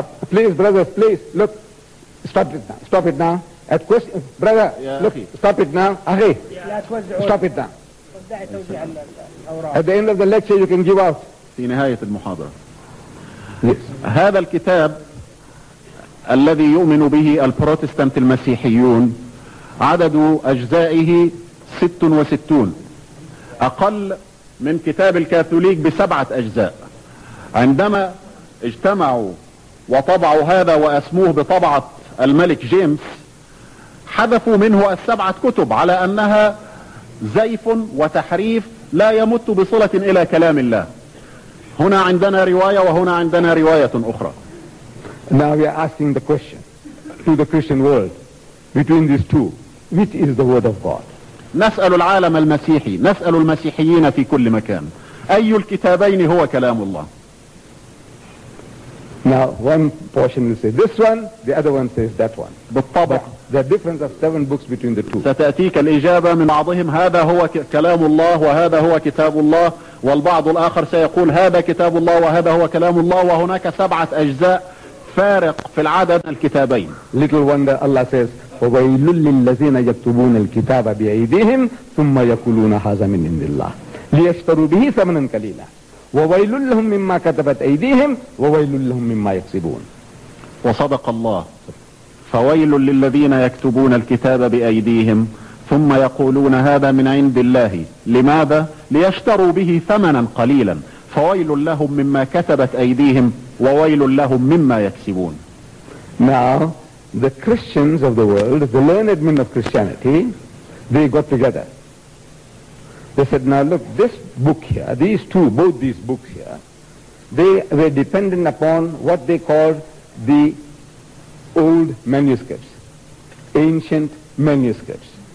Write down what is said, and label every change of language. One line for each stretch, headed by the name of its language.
English: Please brother, please look, stop it now. At question, brother, look, stop it now.
Arabic: أخي,
English: stop it now. At the end of the lecture you can give out.
Arabic: في نهاية المحاضرة.
English: Yes.
Arabic: هذا الكتاب الذي يؤمن به البروتستانت المسيحيون عدد أجزائه 66 أقل من كتاب الكاثوليك بسبعة أجزاء. عندما اجتمعوا وطبعوا هذا وأسموه بطبعة الملك جيمس حذفوا منه السبعة كتب على أنها زيف وتحريف لا يمت بصلة إلى كلام الله. هنا عندنا رواية وهنا عندنا رواية أخرى.
English: Now we are asking the question to the Christian world between these two, which is the word of God?
Arabic: نسأل العالم المسيحي، نسأل المسيحيين في كل مكان، أي الكتابين هو كلام الله؟
English: Now one portion will say this one, the other one says that one.
Arabic: بالطبع.
English: The difference of 7 books between the two.
Arabic: ستأتيك الإجابة من بعضهم، هذا هو كلام الله وهذا هو كتاب الله، والبعض الآخر سيقول هذا كتاب الله وهذا هو كلام الله، وهناك سبعة أجزاء فارق في العدد الكتابين.
English: Little wonder Allah says
Arabic: وويل للذين يكتبون الكتاب بأيديهم ثم يقولون هذا من عند الله ليشتروا به ثمنا قليلا وويل لهم مما كتبت أيديهم وويل لهم مما يكسبون. وصدق الله، فويل للذين يكتبون الكتاب بأيديهم ثم يقولون هذا من عند الله، لماذا؟ ليشتروا به ثمنا قليلا، فويل لهم مما كتبت أيديهم وويل لهم مما يكسبون.
English: Now the Christians of the world, the learned men of Christianity, they got together. They said, now look, this book here, these two, both these books here, they were dependent upon what they called the old manuscripts, ancient manuscripts.